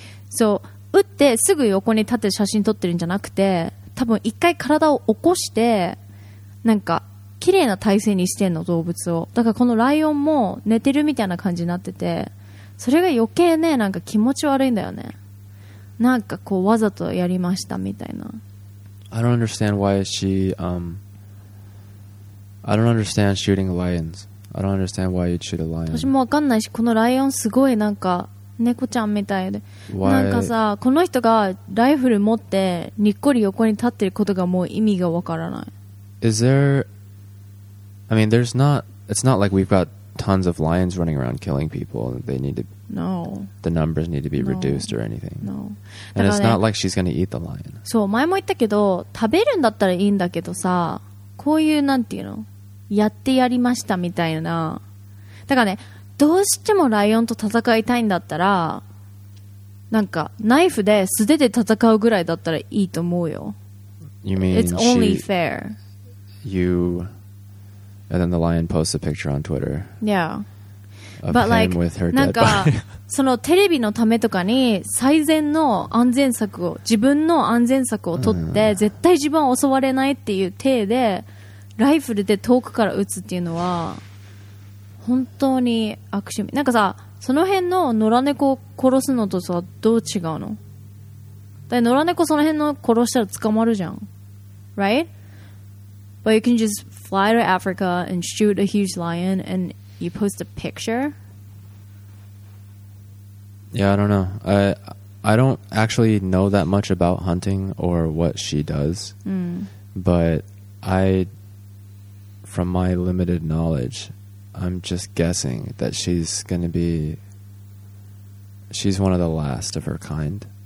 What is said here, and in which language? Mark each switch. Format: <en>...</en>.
<ja>そう、打ってすぐ横に立って写真撮ってるんじゃなくて、多分一回体を起こしてなんか綺麗な体勢にしてんの、動物を。だからこのライオンも寝てるみたいな感じになってて、それが余計ね、なんか気持ち悪いんだよね。なんかこうわざとやりましたみたいな。</ja> <en>I don't understand why she, I don't understand shooting lions. I don't understand why you'd shoot a lion.</en> <ja>私もわかんないし、このライオンすごいなんか猫ちゃんみたいで。</ja> <en>Why?</en> <ja>なんかさ、この人がライフル持ってにっこり横に立ってることがもう意味がわからない。</ja> <en>Is there, I mean, there's not, it's not like we've got,tons of lions running around killing people. They need to. No. The numbers need to be reduced or anything. No. And it's not like she's going to eat the lion.</en> <ja>そう、前も言ったけど、食べるんだったらいいんだけどさ、こういうなんていうの、やってやりましたみたいな。だからね、どうしてもライオンと戦いたいんだったら、なんかナイフで素手で戦うぐらいだったらいいと思うよ。</ja> <en>You mean it's only fair. You. And then the lion posts a picture on Twitter. Yeah. Of But him like, with her</en> <ja>なんか</ja> <en>dead body.</en> <ja>そのテレビのためとかに最善の安全策を、自分の安全策を取って、絶対自分は襲われないっていう体で、ライフルで遠くから撃つっていうのは、本当に悪趣味。なんかさ、その辺の野良猫を殺すのとさ、どう違うの? だから野良猫その辺の殺したら捕まるじゃん。</ja> <en>Right? But you can justfly to Africa and shoot a huge lion and you post a picture? Yeah, I don't know. I don't actually know that much about hunting or what she does. Mm. But I, from my limited knowledge, I'm just guessing that she's going to be, she's one of the last of her kind.</en>